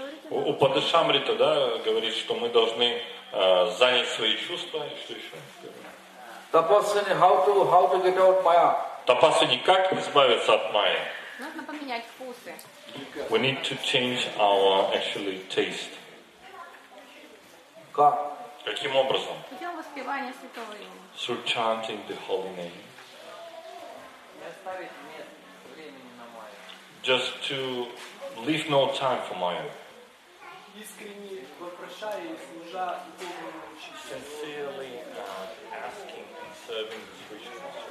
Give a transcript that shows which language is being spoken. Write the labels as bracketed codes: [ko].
[ru] У Падышамрита, да, говорит, что мы должны занять свои чувства и что еще? [en] Тапасвини, how to get out Maya? [ru] Тапасвини, как избавиться от Майи? Нужно поменять вкусы. [en] We need to change our actually taste. [ru] Как? Каким образом? Путем воспевания святого имени. [en] Through chanting the holy name. [ru] Не оставить место времени на Майю. [en] Just to leave no time for Maya. [ru] Искренне вопрошая и служа и [en] sincerely asking and serving the Krishna.